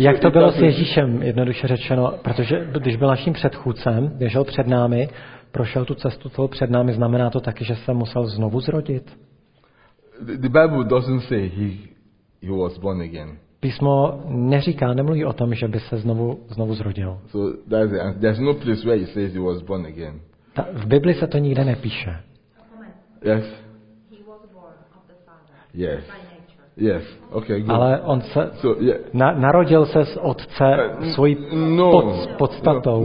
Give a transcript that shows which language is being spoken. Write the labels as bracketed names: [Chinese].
[Czech] Jak to bylo s Ježíšem, jednoduše řečeno, protože když byl naším předchůdcem, běžel před námi, prošel tu cestu, co před námi, znamená to taky, že se musel znovu zrodit? [English] The Bible doesn't say he was born again. [Czech] Písmo neříká, nemluví o tom, že by se znovu zrodil. [English] So there's no place where he says he was born again. [Czech] V Bibli se to nikde nepíše. [English] Yes. He was born of the Father. Yes. By nature. Yes. Okay, good. [Czech] Ale on se narodil se z otce svojí podstatou.